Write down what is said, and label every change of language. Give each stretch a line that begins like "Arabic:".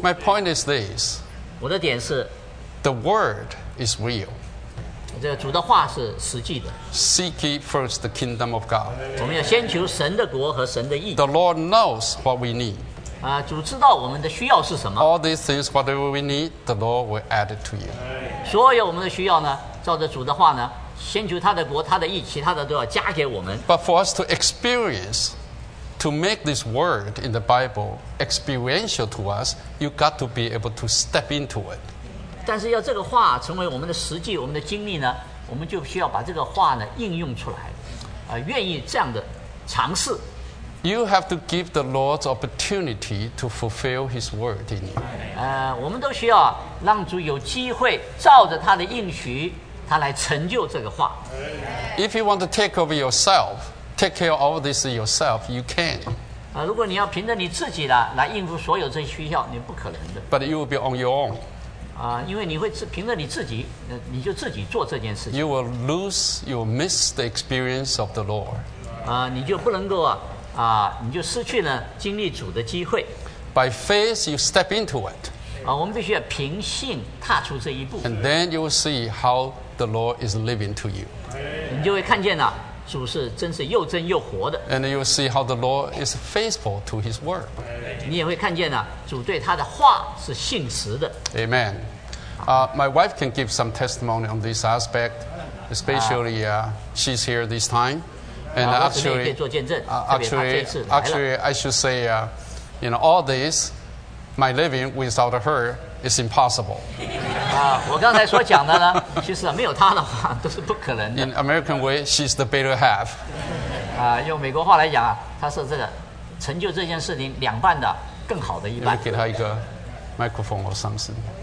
English: My point is this.
Chinese: 我的点是。
English: The word is real.
Chinese: 这个主的话是实际的。
English: Seek ye first the kingdom of God.
Chinese: 我们要先求神的国和神的义。
English: The Lord knows what we need.
Chinese: 主知道我们的需要是什么。
English: All these things, whatever we need, the Lord will add it to you.
Chinese: 所有我们的需要呢，照着主的话呢，先求他的国、他的义，其他的都要加给我们。
English: But for us to experience, to make this word in the Bible experiential to us, you got to be able to step into it.
Chinese: 但是要这个话成为我们的实际、我们的经历呢，我们就需要把这个话呢应用出来，愿意这样的尝试。
English: You have to give the Lord opportunity to fulfill His word in you.
Chinese: 我们都需要让主有机会照着他的应许，他来成就这个话。
English: If you want to take over yourself, take care of this yourself, you can.
Chinese: 如果你要凭着你自己的来应付所有这些需要，你不可能的。
English: But you will be on your own.
Chinese: 因为你会凭着你自己，你就自己做这件事情。
English: You will lose, you will miss the experience of the Lord.
Chinese: 你就不能够啊。你就失去了经历主的机会。
English: By faith, you step into it.
Chinese: 我们必须要凭信踏出这一步。
English: And then you will see how the Lord is living to you.
Chinese: 你就会看见了、啊，主是真是又真又活的。
English: And you'll see how the Lord is faithful to His word.
Chinese: 你也会看见了、啊，主对他的话是信实的。
English: Amen. My wife can give some testimony on this aspect, especially she's here this time. And actually,
Chinese: 可以做见证。
English: Actually, I should say, you know, all this, my living without her. It's impossible.
Chinese: 我刚才所讲的呢，其实没有她的话都是不可能的。
English: In American way, she's the better half.
Chinese: 用美国话来讲啊，她是这个成就这件事情两半的更好的一半。
English: Let me get her a microphone or something.